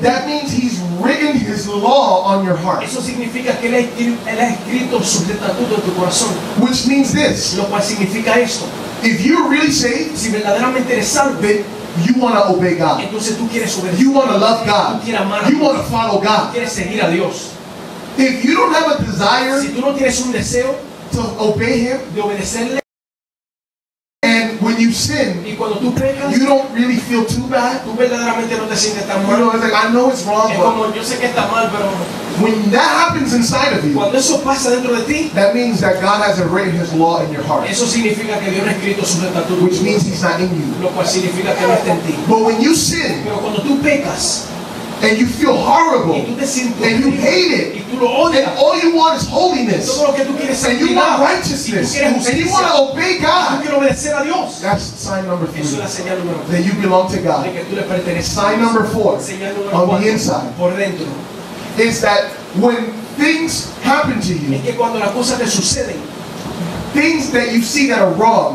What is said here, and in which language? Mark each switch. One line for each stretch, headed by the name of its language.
English: That means he's written his law on your heart.
Spanish: Eso significa que él ha escrito su estatuto en tu corazón.
English: Which means this.
Spanish: Lo cual significa esto.
English: If you're really saved.
Spanish: Si verdaderamente eres salvo.
English: You want to obey God.
Spanish: Entonces, tú quieres obedecer.
English: You want to love God.
Spanish: Tú quieres amar a
English: Dios. You want to follow God.
Spanish: Tú quieres seguir a Dios.
English: If you don't have a desire,
Spanish: si tú no tienes un deseo,
English: to obey him,
Spanish: de obedecerle,
English: and when you sin,
Spanish: y cuando tú pecas,
English: you don't really feel too bad.
Spanish: Tú verdaderamente no te sientes tan mal.
English: You know, it's like, I know it's wrong,
Spanish: es como, yo sé que está mal, pero
English: when that happens inside of you,
Spanish: cuando eso pasa dentro de ti,
English: that means that God has written his law in your heart.
Spanish: Eso significa que Dios ha escrito su estatuto,
English: which means he's not in you.
Spanish: Lo cual significa que no está en ti.
English: But when you sin,
Spanish: pero cuando tú pecas,
English: and you feel horrible, and you hate it, and all you want is holiness, and you want righteousness, and you want to obey God. That's sign number three, that you belong to God. Sign number four, on the inside, is that when things happen to you, things that you see that are wrong,